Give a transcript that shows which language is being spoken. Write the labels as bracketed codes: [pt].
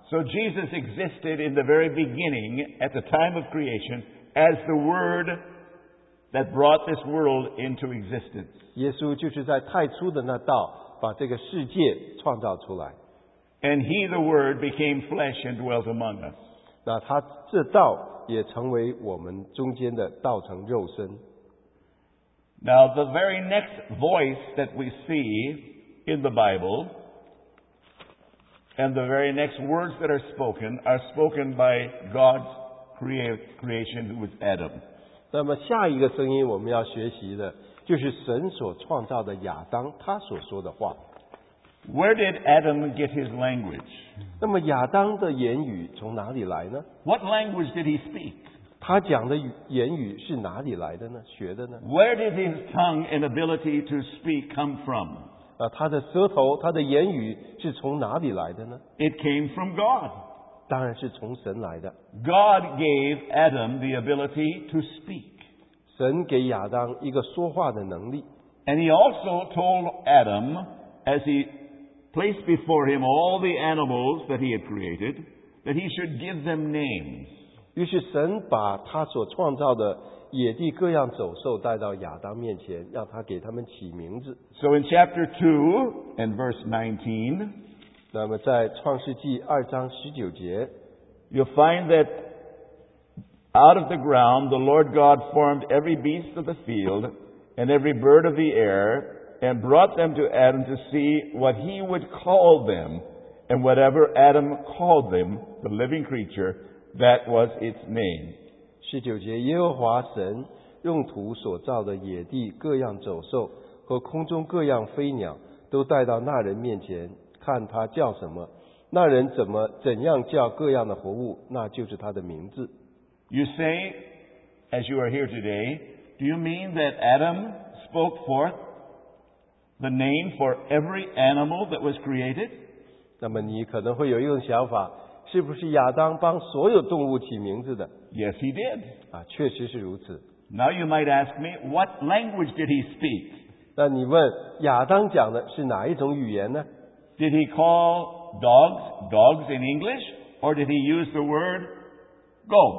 [en] So Jesus existed in the very beginning, at the time of creation, as the Word that brought this world into existence. [zh] 耶稣就是在太初的那道，把这个世界创造出来。 [en] And He, the Word, became flesh and dwelt among us. [zh] 那他这道也成为我们中间的道成肉身。 [en] Now the very next voice that we see in the Bible, and the very next words that are spoken by God's creation, who is Adam. [zh] 那么下一个声音我们要学习的，就是神所创造的亚当，他所说的话。 [en] Where did Adam get his language? [zh] 那么亚当的言语从哪里来呢？ [en] What language did he speak? [zh] 他讲的言语是哪里来的呢？学的呢？ [en] Where did his tongue and ability to speak come from? [zh] 他的舌头，他的言语是从哪里来的呢？ [en] It came from God. [zh] 当然是从神来的。 [en] God gave Adam the ability to speak. [zh] 神给亚当一个说话的能力。 [en] And he also told Adam as he placed before him all the animals that he had created, that he should give them names. [zh] 于是神把他所创造的野地各样走兽带到亚当面前，要他给他们起名字。 [en] So in chapter 2 and verse 19, [zh] 那么在创世纪二章十九节， [en] you'll find that out of the ground the Lord God formed every beast of the field and every bird of the air, and brought them to Adam to see what he would call them, and whatever Adam called them, the living creature, that was its name. [zh] 十九节，耶和华神用土所造的野地各样走兽和空中各样飞鸟都带到那人面前，看他叫什么，那人怎样叫各样的活物，那就是他的名字。 [en] You say, as you are here today, do you mean that Adam spoke forth the name for every animal that was created? [zh] 那么你可能会有一种想法，是不是亚当帮所有动物起名字的？ [en] Yes, he did. [zh] 确实是如此。 [en] Now you might ask me, what language did he speak? [zh] 那你问亚当讲的是哪一种语言呢？ [en] Did he call dogs dogs in English, or did he use the word go?